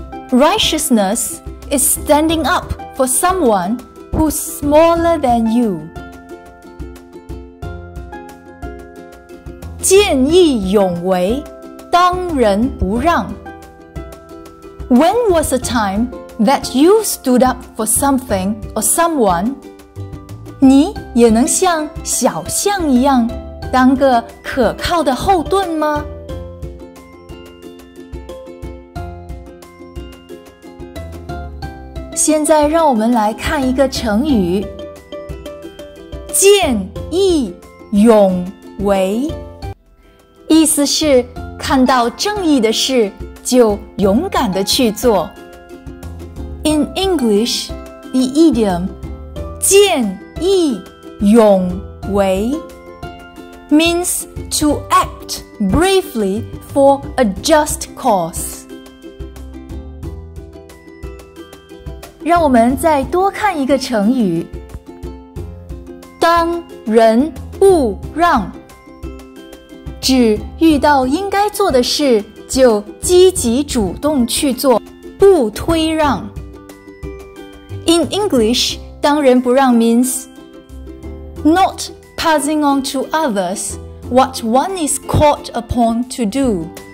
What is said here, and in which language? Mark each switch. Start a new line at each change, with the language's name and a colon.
English: Righteousness is standing up for someone who's smaller than you.
Chinese: 见义勇为，当仁不让。
English: When was a time that you stood up for something or someone?
Chinese: 你也能像小象一样，当个可靠的后盾吗？现在让我们来看一个成语：见义勇为。意思是看到正义的事就勇敢地去做。
English: In English, the idiom 见义勇为 means to act bravely for a just cause.
Chinese: 让我们再多看一个成语。当仁不让指遇到应该做的事就积极主动去做，不推让。
English: In English, 当仁不让 means not passing on to others what one is called upon to do.